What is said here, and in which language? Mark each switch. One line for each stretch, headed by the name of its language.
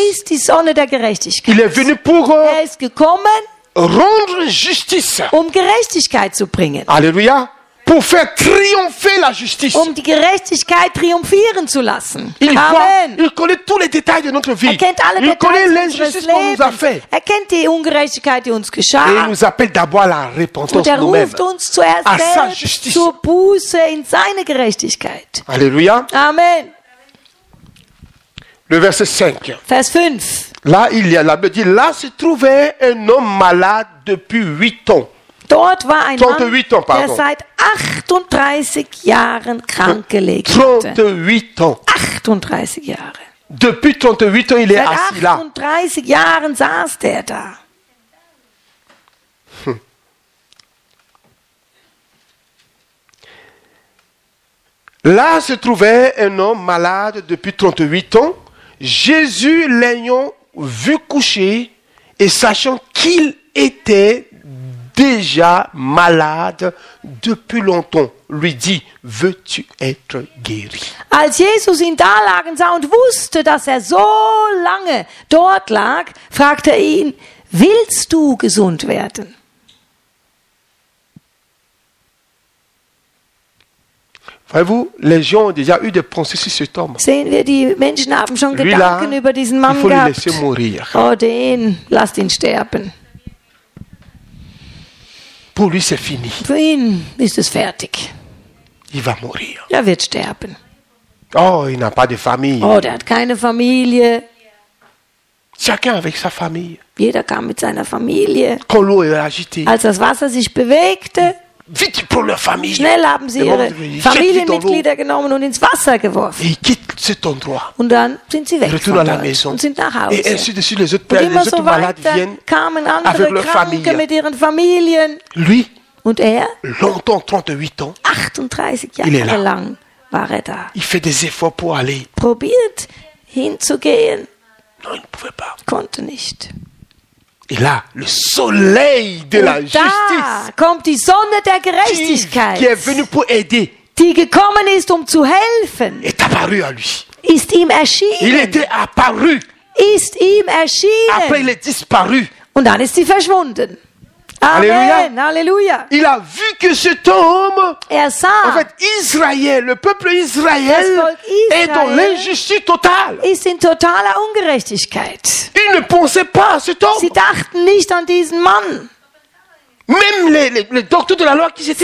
German: Er ist die Sonne der Gerechtigkeit.
French: Il est venu pour
German: er ist gekommen,
French: rendre justice.
German: Um Gerechtigkeit zu bringen.
French: Alléluia. Pour faire triompher la justice.
German: Um die Gerechtigkeit triumphieren zu lassen.
French: Il Amen. Il connaît tous les détails de notre vie.
German: Er kennt alle
French: il
German: Details
French: connaît l'injustice qu'on nous a fait.
German: Er kennt die Ungerechtigkeit, die uns geschah.
French: Et il nous appelle d'abord à la repentance
German: Und er ruft uns zuerst
French: à sa justice.
German: Zur Buße in seine Gerechtigkeit.
French: Alléluia. Amen. Le verset 5.
German: Vers 5.
French: Là, il y a la dit là se trouvait un homme malade depuis 8 ans.
German: Dort war ein Mann, der seit 38 Jahren krank gelegen hatte.
French: 38 ans.
German: 38 Jahre.
French: Depuis 38 ans, il est assis là.
German: Seit 38 Jahren saß der da.
French: Là se trouvait un homme malade depuis 38 ans. Jésus l'ayant vu coucher et sachant qu'il était déjà malade depuis longtemps, lui dit, veux-tu être guéri?
German: Als Jesus ihn da lagen sah und wusste, dass er so lange dort lag, fragte er ihn, willst du gesund werden?
French: Voyez-vous, les gens ont déjà eu des pensées sur cet homme.
German: Sehen wir, die Menschen haben schon Gedanken über diesen Mann gehabt.
French: Il faut le laisser mourir.
German: Oh, den, lasst ihn sterben.
French: Pour lui, c'est fini.
German: Für ihn ist es fertig.
French: Il va mourir.
German: Er wird sterben.
French: Oh, il n'a pas de famille.
German: Oh, der hat keine Familie.
French: Chacun avec sa famille.
German: Jeder kam mit seiner Familie.
French: Quand l'eau est agitée.
German: Als das Wasser sich bewegte.
French: Vite pour leur famille.
German: Schnell haben sie ihre Familienmitglieder genommen und ins Wasser geworfen.
French: Et quittent cet endroit.
German: Und dann sind sie weg.
French: Retournent à la maison.
German: Und sind nach Hause.
French: Et ainsi de suite, les autres malades viennent avec leur famille.
German: Kamen andere Kranke Familie. Mit ihren Familien.
French: Lui.
German: Und er.
French: Longtemps, 38 ans.
German: 38 Jahre lang war er da.
French: Il fait des efforts pour aller.
German: Probiert hinzugehen.
French: Non, il ne pouvait pas.
German: Konnte nicht.
French: Et là, le soleil de
German: Und
French: la justice.
German: Da kommt die Sonne der Gerechtigkeit.
French: Qui est venu pour aider.
German: Die gekommen ist, um zu helfen.
French: Est apparu à lui.
German: Ist ihm erschienen.
French: Il était apparu.
German: Ist ihm erschienen.
French: Après, il est disparu.
German: Und dann ist sie verschwunden.
French: Alléluia. Amen. Alléluia. Il a vu que cet homme.
German: Er sah.
French: En fait, Israël, le peuple Israël.
German: Das Volk Israël
French: est dans l'injustice totale.
German: Ist in totaler Ungerechtigkeit.
French: Ils ne pensaient pas à cet homme.
German: Sie dachten nicht an diesen Mann.
French: Même les docteurs de la loi qui étaient